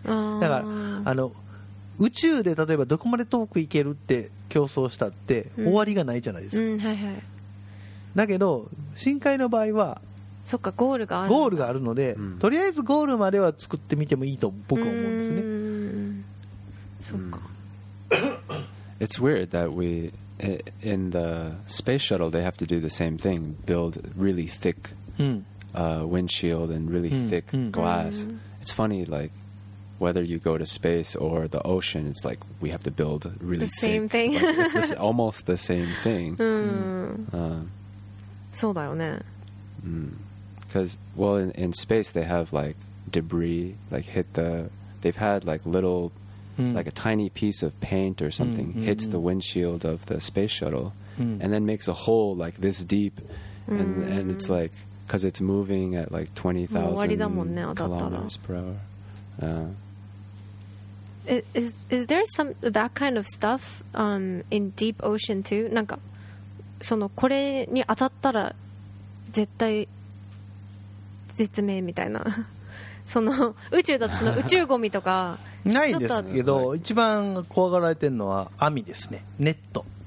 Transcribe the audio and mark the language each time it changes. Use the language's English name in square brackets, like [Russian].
[Japanese] だから、あの、宇宙で例えばどこまで遠く行けるって競争したって終わりがないじゃないですか、はいはい、だけど深海の場合はそっか、ゴールがある、ゴールがあるので、とりあえずゴールまでは作ってみてもいいと僕は思うんですね。そっか。 [English] It's weird that we in the space shuttle they have to do the same thing, build really thick windshield and really thick glass. It's funny, like whether you go to space or the ocean, it's like we have to build really the same thick, thing. It's almost the same thing. [Japanese] そうだよね。 [English] Because, well, in space they have like debris, like hit the, they've had like little, like a tiny piece of paint or something hits the windshield of the space shuttle and then makes a hole like this deep and it's like, because it's moving at like 20,000 kilometers per hour. Is there some, that kind of stuff in deep ocean too? [Japanese] なんか、そのこれに当たったら絶対絶命みたいなその宇宙だとその宇宙ゴミとかないですけど、一番怖がられてるのは網ですね、ネット、